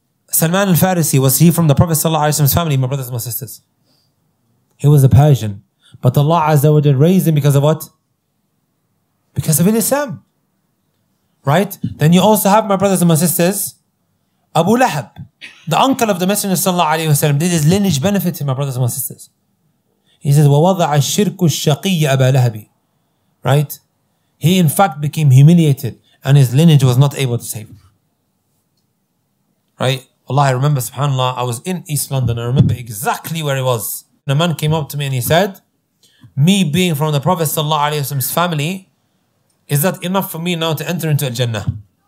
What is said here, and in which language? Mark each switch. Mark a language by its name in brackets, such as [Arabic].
[English] سلمان الفارسي, was he from the Prophet صلى الله عليه وسلم's family, my brothers and my sisters? He was a Persian. But Allah Azza wa Jalla raised him because of what? Because of Islam. Right? Then you also have, my brothers and my sisters, Abu Lahab, the uncle of the Messenger sallallahu alayhi wa sallam. Did his lineage benefit him, my brothers and my sisters? He says, [Arabic] وَوَضَعَ الشِّرْكُ الشَّقِيَّ أَبَا لَهَبِ. [English] Right? He in fact became humiliated and his lineage was not able to save him. Right? Allah, I remember, subhanAllah, I was in East London. I remember exactly where he was. And a man came up to me and he said, me being from the Prophet sallallahu alaihi wasallam's family, is that enough for me now to enter into Al-Jannah?